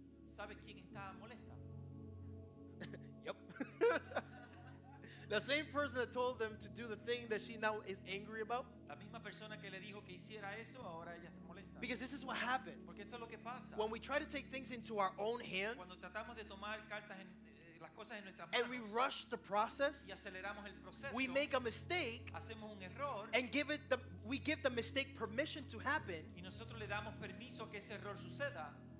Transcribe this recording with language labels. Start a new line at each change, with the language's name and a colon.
Spanish: ¿Sabe quién está molesta?
English: Yep. The same person that told them to do the thing that she now is angry about.
Spanish: La misma persona que le dijo que hiciera eso, ahora ella está molesta.
English: Because this is what happens.
Spanish: Porque esto es lo que pasa.
English: When we try to take things into our own hands.
Spanish: Cuando tratamos de tomar cartas en las cosas en nuestras manos.
English: And we rush the process.
Spanish: Y aceleramos el proceso.
English: We make a mistake.
Spanish: Hacemos un error.
English: And we give the mistake permission to happen.
Spanish: Y nosotros le damos permiso que ese error suceda.